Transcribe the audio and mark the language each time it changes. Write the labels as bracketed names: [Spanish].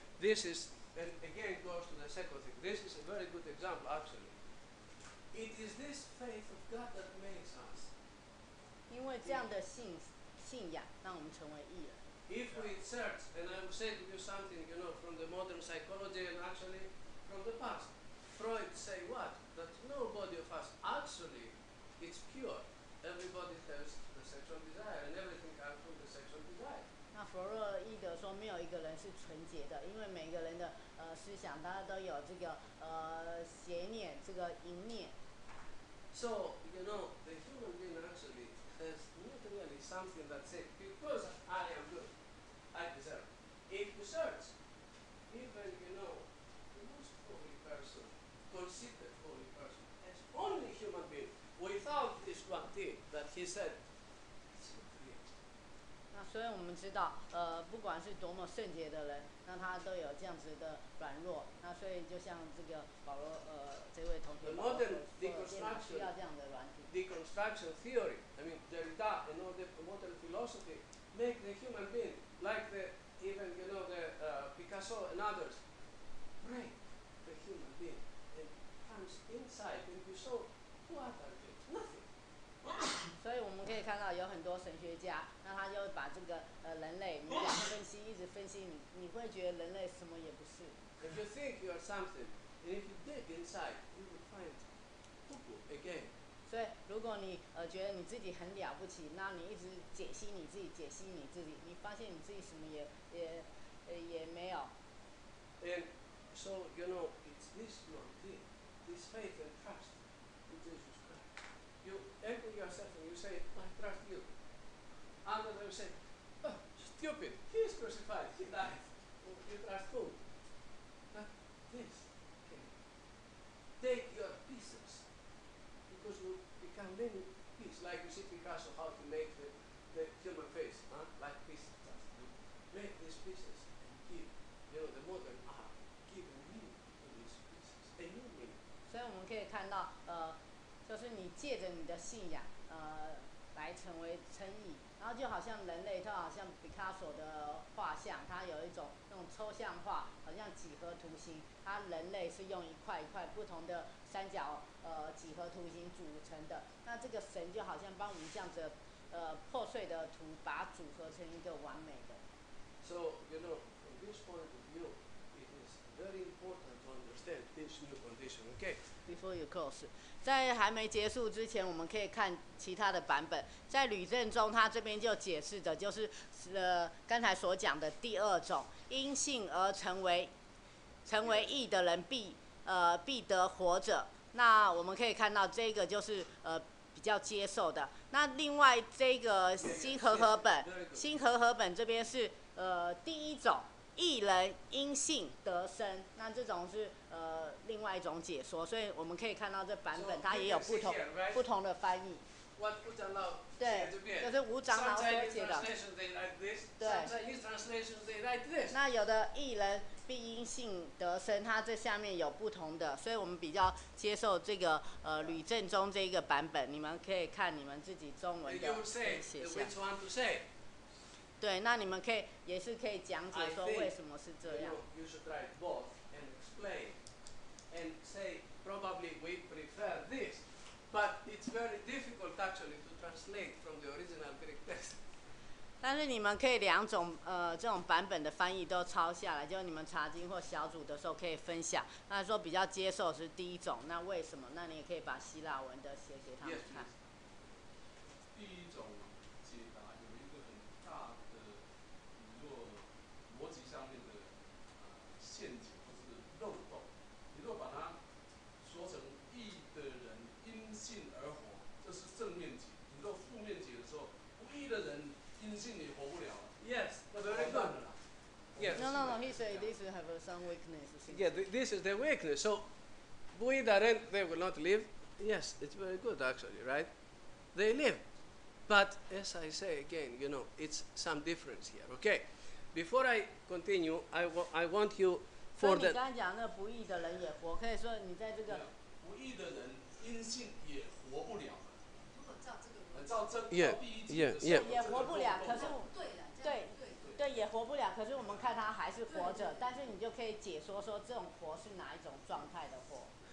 [English] This is, and again goes to the second thing. This is a very good example, actually. It is this faith of God that makes us. [Chinese] 因为这样的信仰让我们成为义人。 [English] If we search, and I will say to you something, you know, from the modern psychology and actually from the past, Freud say what? That nobody of us actually is pure. Everybody has the sexual desire, and everything comes from the sexual desire. [Chinese] 那弗洛伊德说没有一个人是纯洁的，因为每个人的思想大家都有这个邪念，这个淫念。 [English] So you know the human being actually has not really something that says because I am good, I deserve. If you search, even you know the most holy person, considered holy person, as only human being without this one thing that he said. [Chinese] 所以我们知道不管是多么圣洁的人，那他都有这样子的软弱，那所以就像这个保罗这位同学 [English] The modern deconstruction, [Chinese] 需要这样的软体 [English] deconstruction theory, I mean Derrida and all the modern philosophy make the human being like the even you know the Picasso and others break the human being and comes inside and you show what are you? Nothing [Chinese] 所以我们可以看到有很多神学家，那他就把这个人类你两个分析，一直分析你，你会觉得人类什么也不是。 [English] If you think you are something, and if you dig inside, you will find poo-poo again. [Chinese] 所以如果你觉得你自己很了不起，那你一直解析你自己，解析你自己，你发现你自己什么也没有。 [English] And so you know, it's this one thing, this faith and trust in Jesus Christ. You anchor yourself and you say, I trust you. Other than say, oh, stupid, he is crucified, he died. Well, you trust whom? But this can take your pieces because you become many pieces. Like you see Picasso, how to make the human face, huh? Like pieces. Just make these pieces and give, you know, the modern art, give a meaning to these pieces, a new meaning. [Chinese] 所以我们可以看到，就是你借着你的信仰，来成为诚意。然后就好像人类，他好像毕卡索的画像，他有一种那种抽象画，好像几何图形。他人类是用一块一块不同的三角几何图形组成的。那这个神就好像帮我们这样子破碎的图，把它组合成一个完美的。 [English] So you know, from this point of view, it is very important to understand this new condition. Okay. Before you close. [Chinese] 在还没结束之前，我们可以看其他的版本。在吕正中，他这边就解释的，就是刚才所讲的第二种，因信而成为义的人必得活着。那我们可以看到，这个就是比较接受的。那另外这个新和合本这边是第一种，义人因信得生。那这种是。另外一种解说，所以我们可以看到这版本它也有不同的翻译。 [English] What [Chinese] 吴长老写这边？对，就是吴长老所写的。对。那有的义人必因信得生，它这下面有不同的，所以我们比较接受这个吕正中这一个版本。你们可以看你们自己中文的写下。 [English] Which one to say？ [Chinese] 对，那你们可以讲解说为什么是这样。 [English] You should try both. And say probably we prefer this, but it's very difficult actually to translate from the original Greek text. [Chinese] 但是你们可以两种这种版本的翻译都抄下来，就你们查经或小组的时候可以分享。那说比较接受是第一种，那为什么？那你也可以把希腊文的写给他们看。 [English] Yes, please. [Chinese] 第一种解答有一个很大的弱逻辑上面的陷阱。漏洞，你若把它说成义的人因信而活，这是正面解。你若负面解的时候，不义的人因信也活不了。 [English] Yes, very good. Yes. No. He said this have some weakness. Yeah, this is the weakness. So, [Chinese] 不义的人 [English] they will not live. Yes, it's very good actually, right? They live, but as I say again, you know, it's some difference here. Okay. Before I continue, I want you. [Chinese] 所以你刚才讲那不义的人也活，可以说你在这个不义的人因信也活不了。如果照这个，照这个第一节的时候也活不了，可是对也活不了，可是我们看他还是活着，但是你就可以解说说这种活是哪一种状态的活。